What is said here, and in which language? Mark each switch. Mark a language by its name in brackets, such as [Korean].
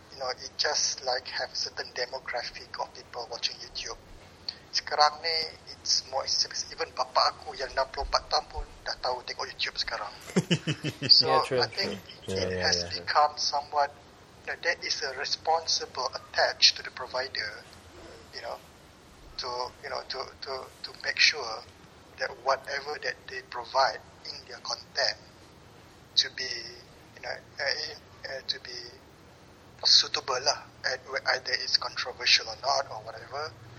[English] You know, it just like have certain demographic of people watching YouTube. [Malay] Sekarang ni, [English] it's more serious. [Malay] Even bapa aku yang 64 tahun pun dah tahu tengok YouTube sekarang. [English] So, yeah, true, I think become somewhat, you know, that is a responsible attached to the provider, you know, to make sure that whatever that they provide in their content to be, you know, to be suitable lah, either it's controversial or not or whatever.